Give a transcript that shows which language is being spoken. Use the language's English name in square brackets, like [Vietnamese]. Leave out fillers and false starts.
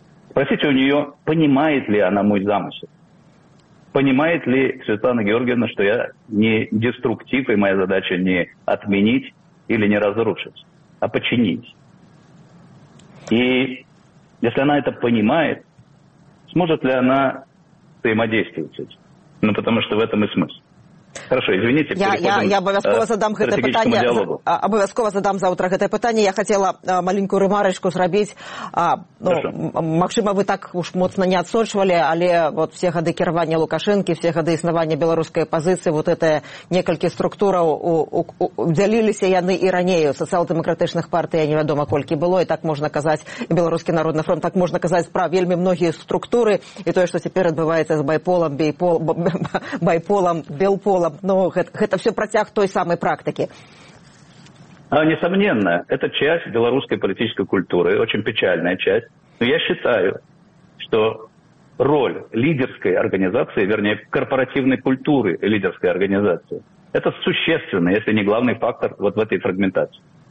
[Russian] Спросите у нее, понимает ли она мой замысел. Понимает ли Светлана Георгиевна, что я не деструктив, и моя задача не отменить или не разрушить, а починить? И если она это понимает, сможет ли она взаимодействовать? Ну, потому что в этом и смысл. Хорошо, извините, [Belarusian] я обов'язково задам гэта пытанне, абавязкова задам заўтра гэта пытанне. Я хацела маленькую рэмарачку зрабіць. Ну, магчыма, вы так уж моцна не адсочвалі, але вот все гады кіравання Лукашэнкі, все гады існавання беларускай апазіцыі, вот это некалькі структураў дзяліліся яны і раней у сацыял-дэмакратычных партый, невядома колькі было, і так можна казаць і беларускі народны фронт, так можна казаць пра вельмі многія структуры, і тое, што цяпер адбываецца з байполам, байполам, белполам. [Russian] Но это все протяг той самой практики. Несомненно, это часть белорусской политической культуры, очень печальная часть. Но я считаю, что роль лидерской организации, вернее, корпоративной культуры лидерской организации, это существенный, если не главный фактор вот в этой фрагментации.